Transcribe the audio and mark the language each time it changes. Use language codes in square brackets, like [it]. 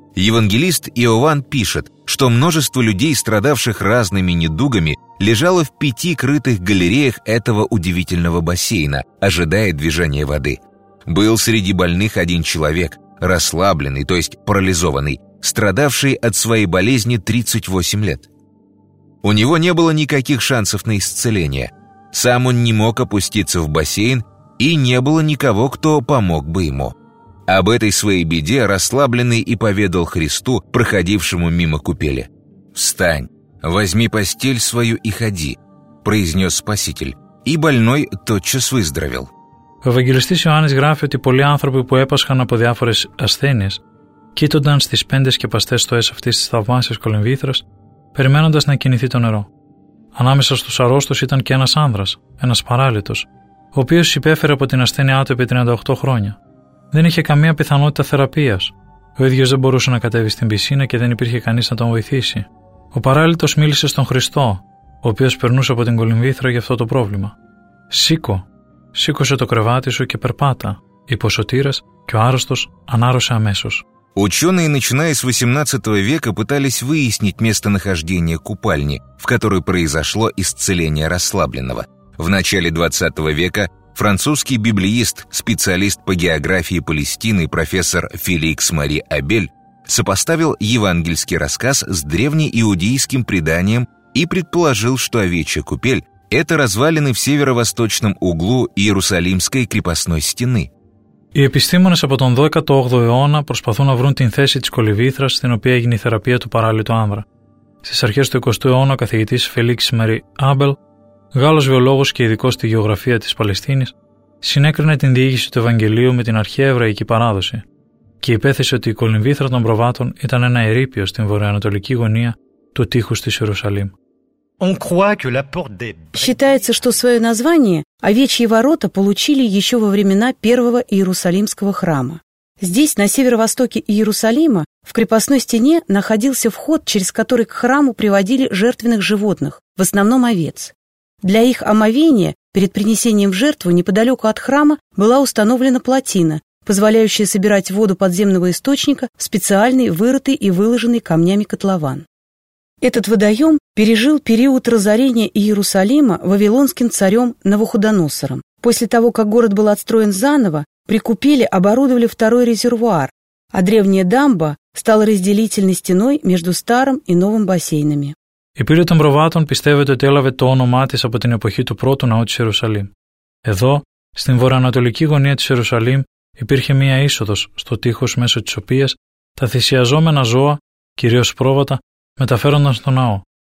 [ru] Евангелист Иоанн пишет, что множество людей, страдавших разными недугами, лежало в пяти крытых галереях этого удивительного бассейна, ожидая движения воды. Был среди больных один человек, расслабленный, то есть парализованный, страдавший от своей болезни 38 лет. У него не было никаких шансов на исцеление. Сам он не мог опуститься в бассейн, и не было никого, кто помог бы ему. Об этой своей беде расслабленный и поведал Христу, проходившему мимо купели. «Встань, возьми постель свою и ходи», – произнес Спаситель, и больной тотчас выздоровел. [el] Ο Ευαγγελιστής Ιωάννης γράφει ότι πολλοί άνθρωποι που έπασχαν από διάφορες ασθένειες κοίτονταν στις πέντε σκεπαστές στοές αυτής της θαυμάσιας κολυμβήθρας, περιμένοντας να κινηθεί το νερό. Ανάμεσα στους αρρώστους ήταν και ένας άνδρας, ένας παράλυτος, ο οποίος υπέφερε από την ασθένειά του επί 38 χρόνια. Δεν είχε καμία πιθανότητα θεραπείας. Ο ίδιος δεν μπορούσε να κατέβει στην πισίνα και δεν υπήρχε κανείς να τον βοηθήσει. Ο παράλυτος μίλησε στον Χριστό, ο οποίος περνούσε από την κολυμβήθρα για αυτό το πρόβλημα. «Σήκω». Σήκωσε το κρεβάτι σου και περπάτα, είπε ο Σωτήρας και ο άρρωστος ανάρρωσε αμέσως. [ru] Ученые, начиная с 18 века, пытались выяснить местонахождение купальни, в которой произошло исцеление расслабленного. В начале 20 века французский библеист, специалист по географии Палестины, профессор Феликс Мари Абель, сопоставил евангельский рассказ с древнеиудейским преданием и предположил, что овечья купель – это развалины в северо-восточном углу Иерусалимской крепостной стены. [el] Οι επιστήμονες από τον 18ο αιώνα προσπαθούν να βρουν την θέση της κολυβήθρας στην οποία έγινε η θεραπεία του παράλυτου άνδρα. Στις αρχές του 20ου αιώνα ο καθηγητής Φελίξ Μαρί Άμπελ, Γάλλος βιολόγος και ειδικός στη γεωγραφία της Παλαιστίνης, συνέκρινε την διήγηση του Ευαγγελίου με την αρχαία εβραϊκή παράδοση και υπέθεσε ότι η κολυβήθρα των προβάτων ήταν ένα ερείπιο στην βορειοανατολική γωνία του τείχους της Ιερουσαλήμ. [ru] Считается, что свое название «Овечьи ворота» получили еще во времена первого Иерусалимского храма. Здесь, на северо-востоке Иерусалима, в крепостной стене находился вход, через который к храму приводили жертвенных животных, в основном овец. Для их омовения перед принесением в жертву неподалеку от храма была установлена плотина, позволяющая собирать воду подземного источника в специальный вырытый и выложенный камнями котлован. Этот водоем пережил период разорения Иерусалима вавилонским царем Навуходоносором. После того, как город был отстроен заново, при купели оборудовали второй резервуар, а древняя дамба стала разделительной стеной между старым и новым бассейнами. [el] Η πύλη των προβάτων πιστεύεται ότι έλαβε το όνομά της από την εποχή του πρώτου ναού της Ιερουσαλήμ. Εδώ, στην βορειοανατολική γωνία της Ιερουσαλήμ, υπήρχε μία είσοδος στο τείχος μέσω της οποίας τα θυσιαζόμενα ζώα, κυρίως πρόβατα, μεταφέρονταν στο ναό.